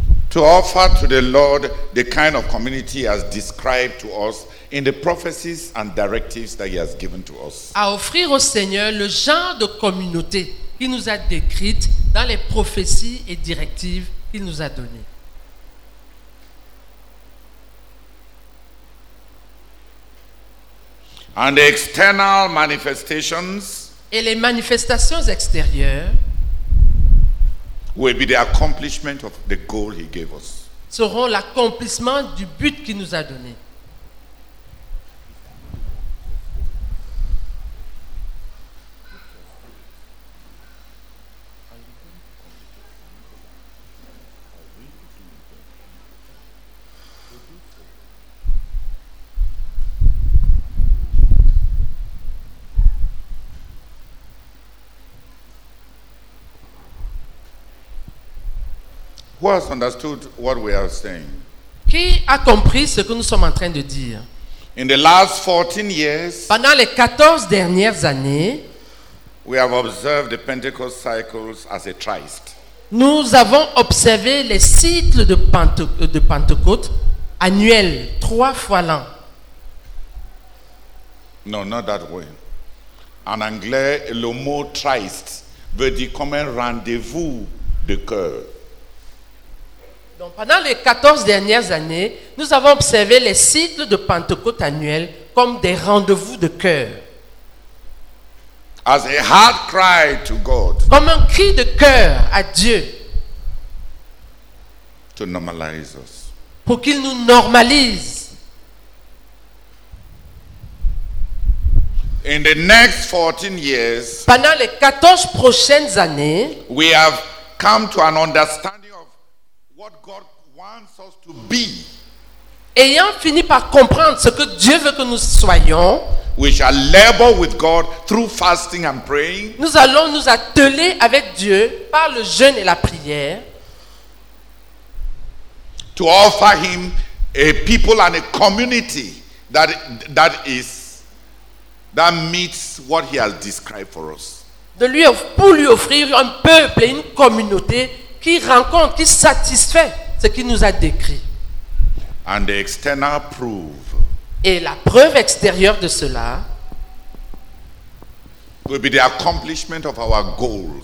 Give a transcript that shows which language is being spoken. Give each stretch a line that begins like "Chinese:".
English: to offer to the Lord the kind of community he has described to us in the prophecies and directives that he has given to us.
French: À offrir au Seigneur le genre de communauté qu'il nous a décrite dans les prophéties et directives qu'il nous a données.
English: And the external manifestations,
French: et les manifestations extérieures,
English: will be the accomplishment of the goal he gave us,
French: seront l'accomplissement du but qu'il nous a donné.
English: Who has understood what we are saying?
French: Qui a compris ce que nous sommes en train de dire?
English: In the last 14 years,
French: pendant les 14 dernières années,
English: we have observed the Pentecost cycles as a Christ.
French: Nous avons observé les cycles de Pentecôte annuels, trois fois l'an.
English: No, not that way.
French: En anglais, le mot Christ veut dire comme un rendez-vous de cœur. Donc, pendant les 14 dernières années, nous avons observé les cycles de Pentecôte annuels comme des rendez-vous de cœur.
English: As a heart cry to God.
French: Comme un cri de cœur à Dieu.
English: To normalize us.
French: Pour qu'il nous normalise.
English: In the next 14 years,
French: pendant les 14 prochaines années,
English: we have come to an understanding of what God wants us to be.
French: Ayant fini par comprendre ce que Dieu veut que nous soyons,
English: we shall labor with God through fasting and praying.
French: Nous allons nous atteler avec Dieu par le jeûne et la prière.
English: To offer him a people and a community that meets what he has described for us.
French: Pour lui offrir un peuple et une communauté qui rencontre, qui satisfait ce qu'il nous a décrit.
English: And the external proof,
French: et la preuve extérieure de cela,
English: will be the accomplishment of our goals,